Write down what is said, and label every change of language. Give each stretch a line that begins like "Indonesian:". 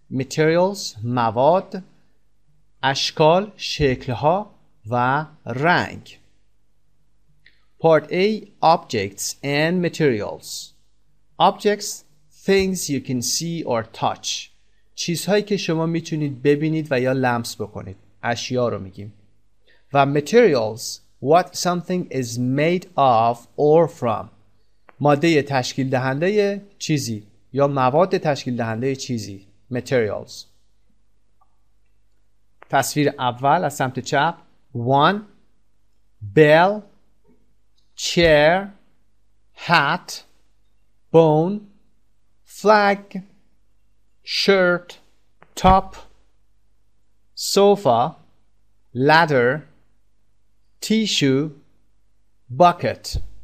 Persian: Materials مواد، اشکال شکلها و رنگ.
English: Part A Objects and Materials. Objects things you can see or touch.
Persian: چیزهایی که شما میتونید ببینید و یا لمس بکنید. اشیاء رو میگیم.
English: و materials what something is made of or from.
Persian: ماده تشکیل دهنده چیزی یا مواد تشکیل دهنده چیزی.
English: Materials.
Persian: تصویر اول از سمت چپ.
English: One. Bell. Chair. Hat. Bone. Flag. Shirt. Top. Sofa. Ladder. Tissue. Bucket.